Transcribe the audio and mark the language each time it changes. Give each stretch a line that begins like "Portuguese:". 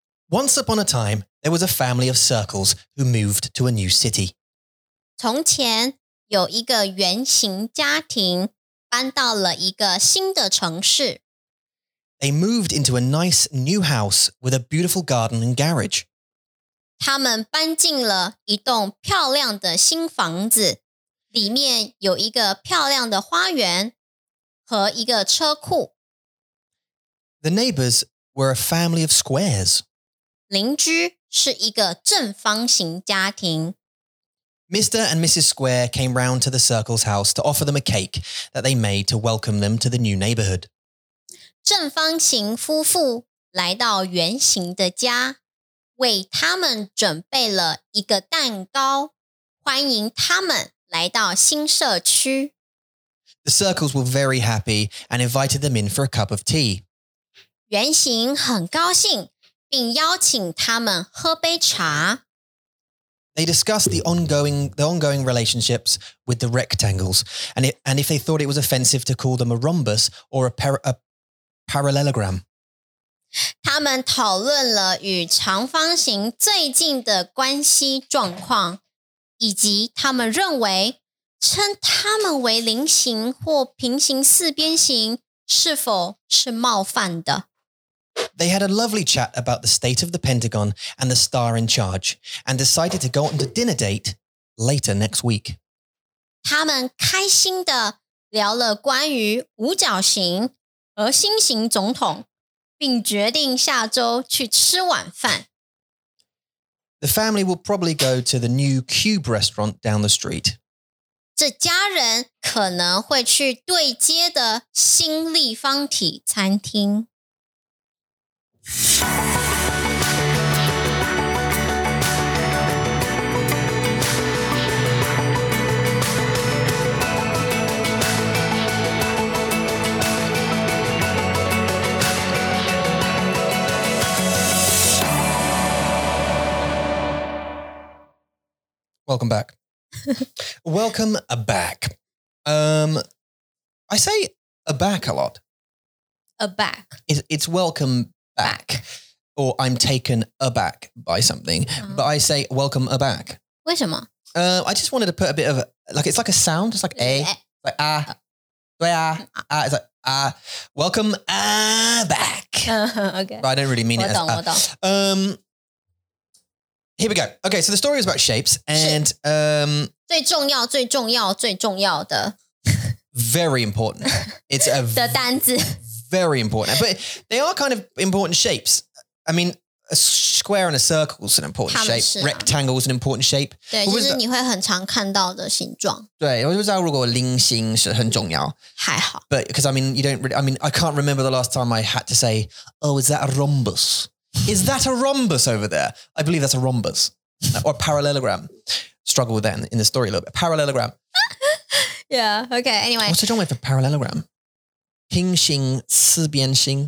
English: Once upon a time, there was a family of circles who moved to a new city.
Chinese: 从前有一个圆形家庭搬到了一个新的城市。
English: They moved into a nice new house with a beautiful garden and garage.
Chinese: 他们搬进了一栋漂亮的新房子，里面有一个漂亮的花园和一个车库。
English: The neighbors were a family of squares.
Chinese: 邻居是一个正方形家庭。
English: Mr. and Mrs. Square came round to the circle's house to offer them a cake that they made to welcome them to the new neighborhood.
Chinese: 正方形夫妇来到圆形的家，为他们准备了一个蛋糕，欢迎他们来到新社区。
English: The circles were very happy and invited them in for a cup of tea.
Chinese: 圆形很高兴，并邀请他们喝杯茶。
English: They discussed the ongoing relationships with the rectangles, and if they thought it was offensive to call them a rhombus or a parallelogram.
Chinese: 他们讨论了与长方形最近的关系状况，以及他们认为称他们为菱形或平行四边形是否是冒犯的。
English: They had a lovely chat about the state of the Pentagon and the star in charge, and decided to go on a dinner date later next week.
Chinese: 他们开心地聊了关于五角形和星形总统，并决定下周去吃晚饭。
English: The family will probably go to the new cube restaurant down the street.
Chinese: 这家人可能会去对街的新立方体餐厅。
English: Welcome back. Welcome back. I say a back a lot. A back. It's welcome back. Or I'm taken aback by something. Uh-huh. But I say welcome aback.
Chinese: 为什么?
English: I just wanted to put a bit of, like, it's like a sound. It's like a. Like ah. Ah. Ah. It's like ah. Welcome aback. Okay. But I don't really mean it as ah. Here we go. Okay, so the story is about shapes and
Chinese: 最重要最重要最重要的
English: very important. It's a
Chinese: 的单字
English: very important. But they are kind of important shapes. I mean, a square and a circle is an important shape. Rectangle is an important shape.
Chinese: 对，就是你会很常看到的形状。对，我就知道如果菱形是很重要。还好。
English: But because I mean, you don't really, I mean, I can't remember the last time I had to say, oh, is that a rhombus? Is that a rhombus over there? I believe that's a rhombus. Or a parallelogram. Struggle with that in the story a little bit. Parallelogram. Yeah, okay, anyway. What's the wrong word for parallelogram? 平行四边形